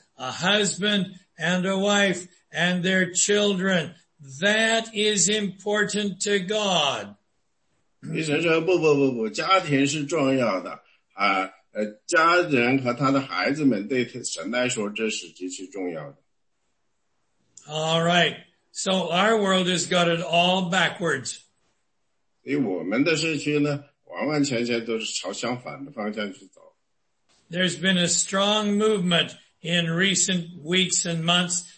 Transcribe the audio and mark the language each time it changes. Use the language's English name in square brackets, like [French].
[English] A husband and a wife and their children. That is important to God. [Chinese] 神说不不不不，家庭是重要的。家人和他的孩子们对神来说，这是极其重要的。 [English] All right. So our world has got it all backwards. [Chinese] 所以我们的社区呢，完完全全都是朝相反的方向去走。 [English] There's been a strong movement in recent weeks and months.